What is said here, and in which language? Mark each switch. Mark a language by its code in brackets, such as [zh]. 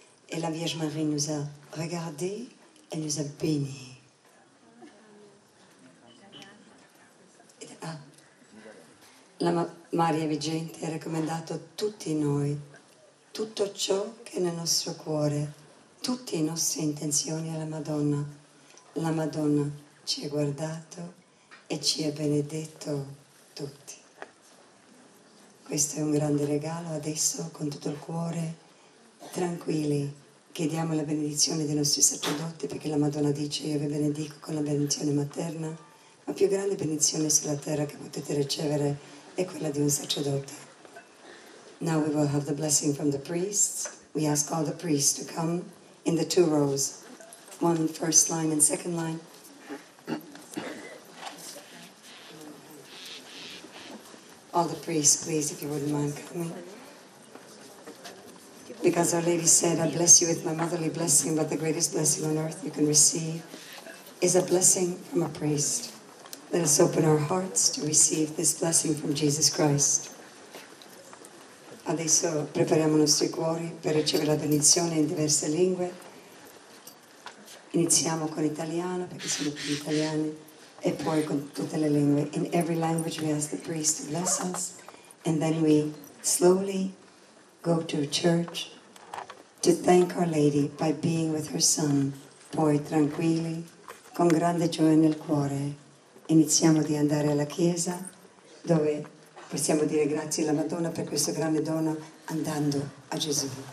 [fr] Et la Vierge Marie nous a regardés, elle nous a bénis. [it] La Maria Vigente ha raccomandato tutti noi, tutto ciò che è nel nostro cuore, tutte le nostre intenzioni alla Madonna. La Madonna ci ha guardato e ci ha benedetto tutti. Questo è un grande regalo, adesso con tutto il cuore, tranquilli. Chiediamo la benedizione dei nostri sacerdoti, perché la Madonna dice: io vi benedico con la benedizione materna. La più grande benedizione sulla terra che potete ricevere è quella di un sacerdote. [en] Now we will have the blessing from the priests. We ask all the priests to come in the two rows, one first line and second line. All the priests, please, if you wouldn't mind coming. Because Our Lady said, I bless you with my motherly blessing, but the greatest blessing on earth you can receive is a blessing from a priest. Let us open our hearts to receive this blessing from Jesus Christ. [it] Adesso prepariamo i nostri cuori per ricevere la benedizione in diverse lingue. Iniziamo con italiano, perché siamo più italiani, e poi con tutte le lingue. [en] In every language we ask the priest to bless us, and then we slowly go to church to thank Our Lady by being with her son. [it] Poi tranquilli, con grande gioia nel cuore, iniziamo di andare alla chiesa, dove possiamo dire grazie alla Madonna per questa grande dono, andando a Gesù.